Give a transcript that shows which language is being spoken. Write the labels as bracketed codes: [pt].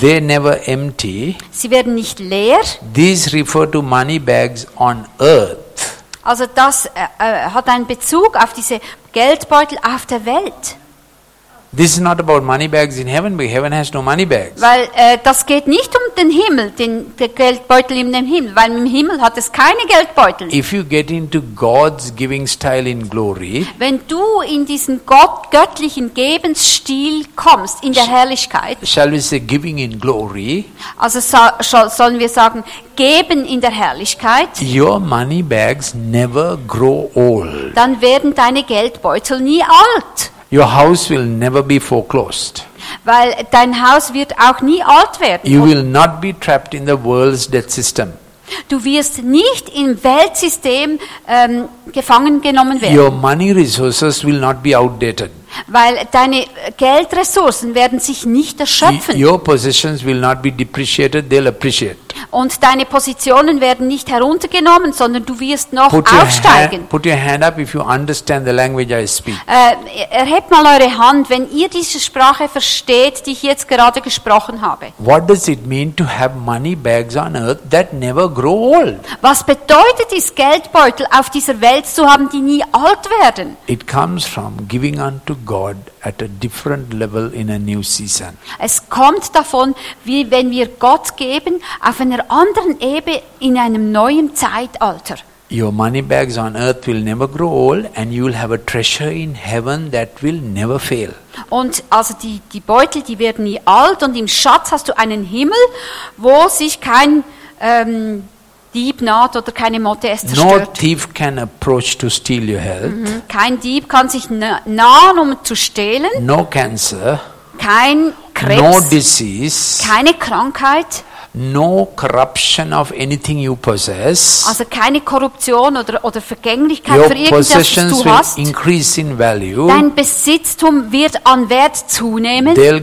[en] They never empty. [de] Sie werden nicht leer. [en] These refer to money bags on earth. [de] Also das hat einen Bezug auf diese Geldbeutel auf der Welt. [en] This is not about money bags in heaven, but heaven has no money bags. [de] Weil das geht nicht um den Himmel, den Geldbeutel in dem Himmel, weil im Himmel hat es keine Geldbeutel. [en] If you get into God's giving style in glory, [de] wenn du in diesen göttlichen Gebensstil kommst in der Herrlichkeit, [en] shall we say giving in glory? [de] Also sollen wir sagen geben in der Herrlichkeit? [en] Your money bags never grow old. [de] Dann werden deine Geldbeutel nie alt. [en] Your house will never be foreclosed. [de] Weil dein Haus wird auch nie alt werden. [en] You will not be trapped in the world's debt system. [de] Du wirst nicht im Weltsystem gefangen genommen werden. [en] Your money resources will not be outdated. [de] Weil deine Geldressourcen werden sich nicht erschöpfen. [en] Your possessions will not be depreciated, they'll appreciate. [de] Und deine Positionen werden nicht heruntergenommen, sondern du wirst noch aufsteigen. [en] Put your hand up if you understand the language I speak. [de] Erhebt mal eure Hand, wenn ihr diese Sprache versteht, die ich jetzt gerade gesprochen habe. [en] What does it mean to have money bags on earth that never grow old? [de] Was bedeutet es, Geldbeutel auf dieser Welt zu haben, die nie alt werden? [en] It comes from giving unto God at a different level in a new season. [de] Es kommt davon, wie wenn wir Gott geben auf einer anderen Ebene in einem neuen Zeitalter. [en] Your money bags on earth will never grow old and you will have a treasure in heaven that will never fail. [de] Und also die Beutel, die werden nie alt und im Schatz hast du einen Himmel, wo sich kein Dieb naht oder keine Motte es zerstört. [en] No thief can approach to steal your health. Mm-hmm. [de] Kein Dieb kann sich nahen, um zu stehlen. [en] No cancer. [de] Kein Krebs. [en] No disease. [de] Keine Krankheit. [en] No corruption of anything you possess. [de] Also keine Korruption oder Vergänglichkeit für irgendwas, was du hast. [en] Will increase in value. [de] Dein Besitztum wird an Wert zunehmen.